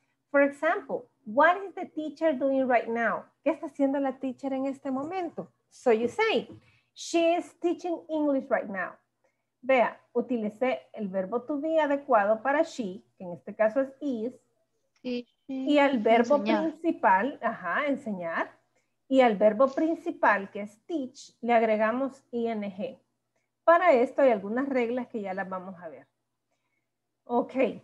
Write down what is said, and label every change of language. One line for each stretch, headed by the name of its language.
English: For example, what is the teacher doing right now?
Spanish: ¿Qué está haciendo la teacher en este momento?
English: So you say, she is teaching English right now.
Spanish: Vea, utilicé el verbo to be adecuado para she, que en este caso es is, y el verbo enseñar. Principal, ajá, enseñar, y al verbo principal, que es teach, le agregamos ing. Para esto hay algunas reglas que ya las vamos a ver. Ok.